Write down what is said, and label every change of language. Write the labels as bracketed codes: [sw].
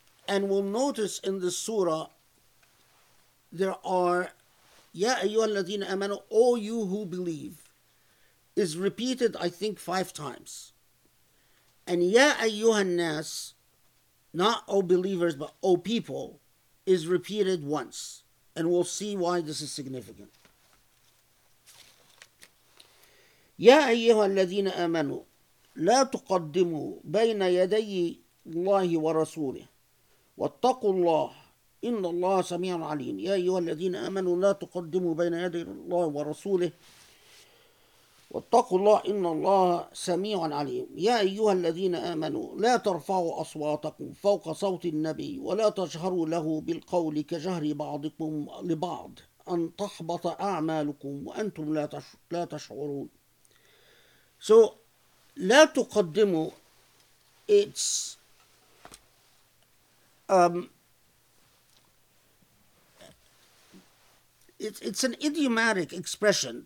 [en] And we'll notice in the surah there are, Ya ayyuhalladhina amanu, all you who believe, is repeated, I think, 5 times. And Ya ayyuhannas, not O believers, but O people, is repeated once. And we'll see why this is significant. [ar] يا أيها الذين آمنوا لا تقدموا بين يدي الله ورسوله واتقوا الله إن الله سميع عليم يا أيها الذين آمنوا لا تقدموا بين يدي الله ورسوله واتقوا الله إن الله سميع عليم يا أيها الذين آمنوا لا ترفعوا أصواتكم فوق صوت النبي ولا تجهروا له بالقول كجهر بعضكم لبعض أن تحبط أعمالكم وأنتم لا تشعرون. [en] So, la tuqaddimu, it's it's an idiomatic expression.